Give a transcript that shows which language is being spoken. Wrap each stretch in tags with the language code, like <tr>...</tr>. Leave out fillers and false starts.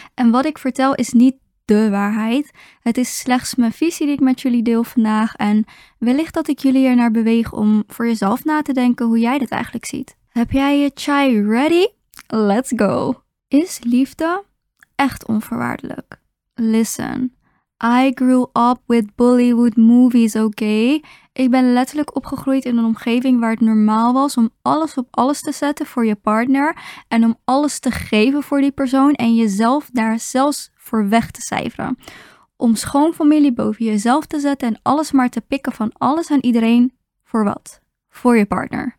<nl>En wat ik vertel is niet de waarheid. Het is slechts mijn visie die ik met jullie deel vandaag. En wellicht dat ik jullie ernaar beweeg om voor jezelf na te denken hoe jij dat eigenlijk ziet. Heb jij je chai ready?</nl> <en>Let's go!</en> <nl>Is liefde echt onvoorwaardelijk?</nl> <en>Listen, I grew up with Bollywood movies, okay?</en> <nl>Ik ben letterlijk opgegroeid in een omgeving waar het normaal was om alles op alles te zetten voor je partner en om alles te geven voor die persoon en jezelf daar zelfs voor weg te cijferen. Om schoonfamilie boven jezelf te zetten en alles maar te pikken van alles en iedereen voor wat? Voor je partner.</nl>